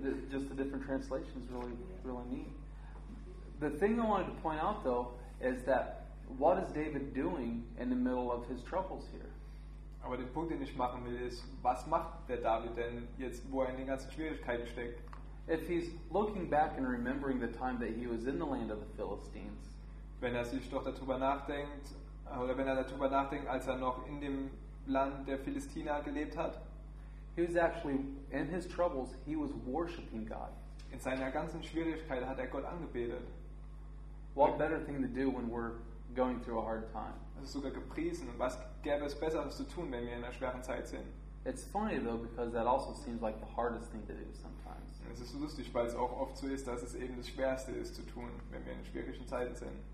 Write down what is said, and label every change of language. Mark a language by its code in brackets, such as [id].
[en] Just the different translations really, really neat. The thing I wanted to point out, though, is that what is David doing in the middle of his troubles here? [de] Aber der Punkt, den ich machen will, ist, was macht der David denn jetzt, wo er in den ganzen Schwierigkeiten steckt? [en] If he's looking back and remembering the time that he was in the land of the Philistines. [de] Wenn er sich doch darüber nachdenkt, oder wenn er darüber nachdenkt, als er noch in dem Land der Philistiner gelebt hat. [en] He was actually, in his troubles, he was worshiping God. [de] In seiner ganzen Schwierigkeit hat er Gott angebetet. [en] What better thing to do when we're going through a hard time? [de] Das ist sogar gepriesen. Was gäbe es Besseres zu tun, wenn wir in einer schweren Zeit sind? [en] It's funny though, because that also seems like the hardest thing to do sometimes. [de] Es ist lustig, weil es auch oft so ist, dass es eben das Schwerste ist zu tun, wenn wir in schwierigen Zeiten sind.